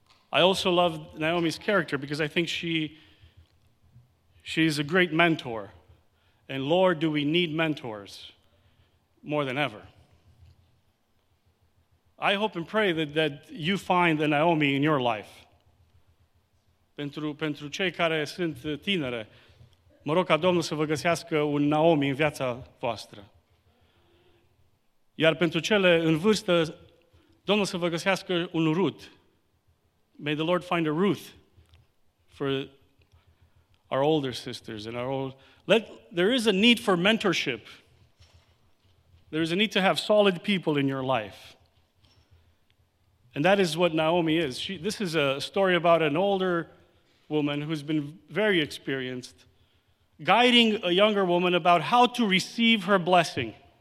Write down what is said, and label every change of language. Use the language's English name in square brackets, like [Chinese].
[English] I also love Naomi's character because I think she is a great mentor. And Lord, do we need mentors more than ever. I hope and pray that you find a Naomi in your life. [Romanian] Pentru cei care sunt tinere, mă rog ca Domnul să vă găsească un Naomi în viața voastră. Iar pentru cele în vârstă, Domnul să vă găsească un Ruth. [English] May the Lord find a Ruth for our older sisters and our old. There is a need for mentorship. There is a need to have solid people in your life. And that is what Naomi is. This is a story about an older woman who's been very experienced, guiding a younger woman about how to receive her blessing.